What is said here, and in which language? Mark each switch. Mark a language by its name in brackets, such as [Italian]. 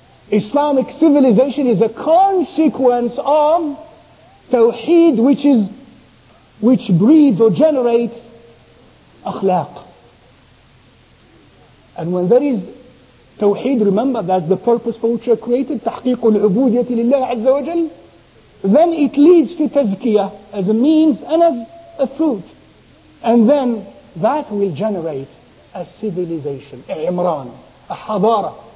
[English] Islamic civilization is a consequence of tawheed, which breeds or generates akhlaq. And when there is Tawheed, remember, that's the purpose for which you are created. [Arabic] تحقيق العبودية لله عز وجل. [English] Then it leads to tazkiyah as a means and as a fruit. And then that will generate a civilization, a imran, a hadara.